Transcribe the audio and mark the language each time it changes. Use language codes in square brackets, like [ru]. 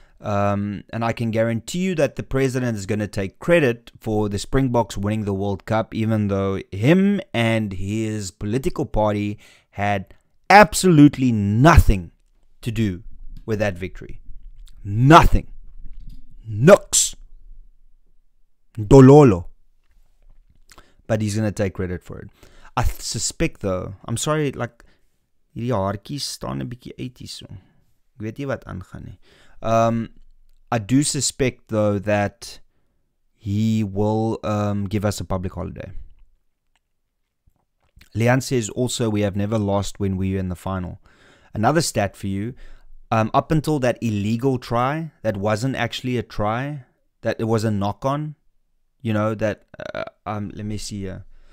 [en] And I can guarantee you that the president is going to take credit for the Springboks winning the World Cup, even though him and his political party had absolutely nothing to do with that victory. Nothing. Nux. Dololo. But he's going to take credit for it. I suspect, though, I'm sorry, like, [af] hierdie haartjies staan 'n bietjie uit hier so. Ek weet nie wat aangaan nie. [en] I do suspect, though, that he will give us a public holiday. Leanne says, also, we have never lost when we were in the final. Another stat for you, up until that illegal try, that wasn't actually a try, that it was a knock-on, you know, that, let me see here.